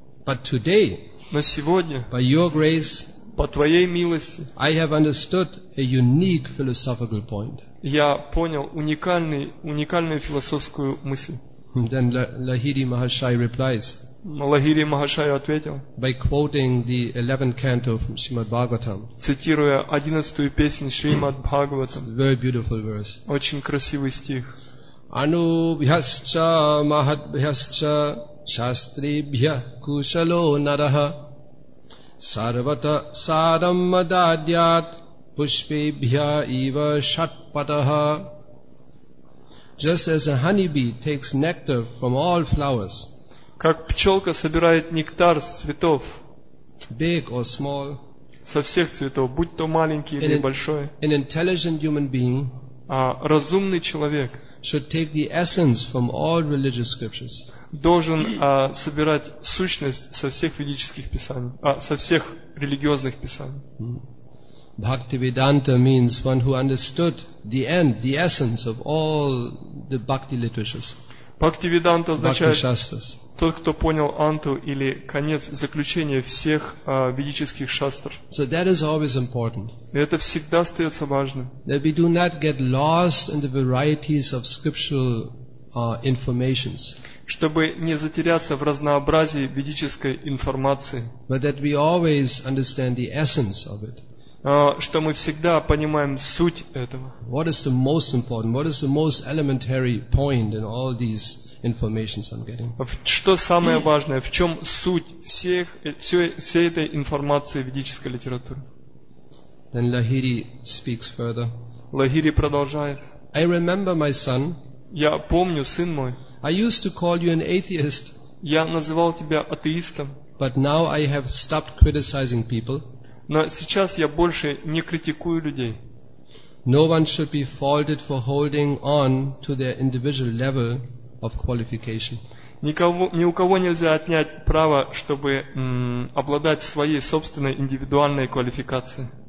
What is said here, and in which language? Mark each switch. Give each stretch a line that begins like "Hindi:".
English: But today,
Russian: на сегодня,
English: by your grace,
Russian: по твоей милости,
English: I have understood a unique philosophical point.
Russian: Я понял уникальную философскую мысль.
English: Then Lahiri Mahashaya replies.
Russian: Лахири Махашая ответил.
English: By quoting the 11th canto from Srimad Bhagavatam.
Russian: Цитируя 11-ю песню Шримад Бхагаватам.
English: Very beautiful verse.
Russian: Очень красивый стих.
Sanskrit: Ану бьясча махат бьясча шастри бья кушало нараха сарвата сарамма дадьят пушпи бья ива шатпатаха.
English: Just as a honeybee takes nectar from all flowers.
Russian: Как пчелка собирает нектар с цветов.
English: Big or small.
Russian: Со всех цветов, будь то маленький или большой.
English: An intelligent human being.
Russian: А разумный человек.
English: Should take the essence from all religious scriptures.
Russian: Должен собирать сущность со всех ведических писаний, со всех религиозных писаний.
English: Bhaktivedanta means one who understood the end, the essence of all the bhakti literatures.
Russian: Bhaktivedanta означает тот, кто понял анту или конец заключения всех ведических шастр.
English: So that is always important.
Russian: И это всегда остается важным.
English: That we do not get lost in the varieties of scriptural informations.
Russian: Чтобы не затеряться в разнообразии ведической информации.
English: But that we always understand the essence of it.
Russian: Что мы всегда понимаем суть этого.
English: What is the most important? What is the most elementary point in all these information I'm getting?
Russian: Что самое важное? В чем суть всех всей этой информации ведической литературы?
English: Then Lahiri speaks further.
Russian: Лахири продолжает.
English: I remember my son.
Russian: Я помню, сын мой.
English: I used to call you an atheist.
Russian: Я называл тебя атеистом.
English: But now I have stopped criticizing people.
Russian: Но сейчас я больше не критикую людей.
English: No one should be faulted for holding on to their individual level of qualification.
Russian: Ни у кого нельзя отнять право, чтобы обладать своей собственной индивидуальной квалификацией.